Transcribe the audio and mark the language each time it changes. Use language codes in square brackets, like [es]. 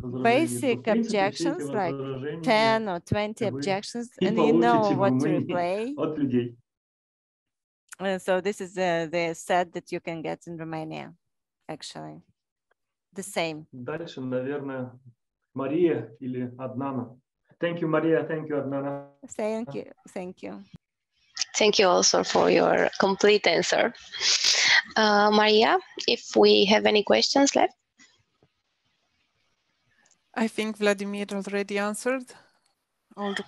[en] basic objections, like 10 or 20 objections, and you know what to replay. And so this is the set that you can get in Romania. Actually, the same. [ru] Дальше, наверное, Мария или Аднана. [en] Thank you, Maria. Thank you, Аднана. Thank you. Thank you. Thank you also for your complete answer. Maria, if we have any questions left. I think Vladimir already answered all the